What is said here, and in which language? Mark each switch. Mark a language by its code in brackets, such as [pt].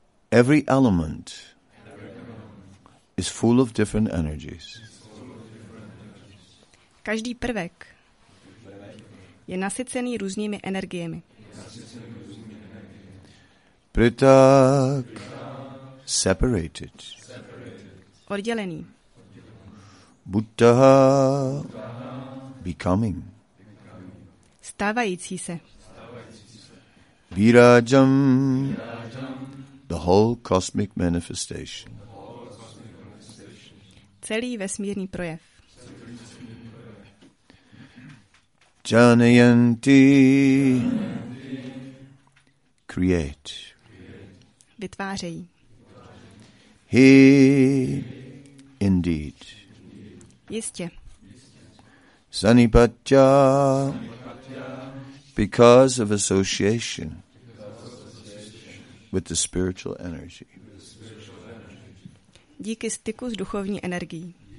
[en] Every element is full of different energies. [cs] Každý prvek je nasycený různými energiemi. [en] Pritak. Separated. [cs] Oddělený. [en] Buddha. Becoming. [cs] Stávající se. [en] Virajam. The whole cosmic manifestation. [cs] Celý vesmírný projev. [sa] Janayanti. [en] Create. [cs] Vytvářejí. [en] He indeed. [cs] Jistě. [en] Sanipatya, because of association with the spiritual energy. [cs] Díky styku s duchovní energií.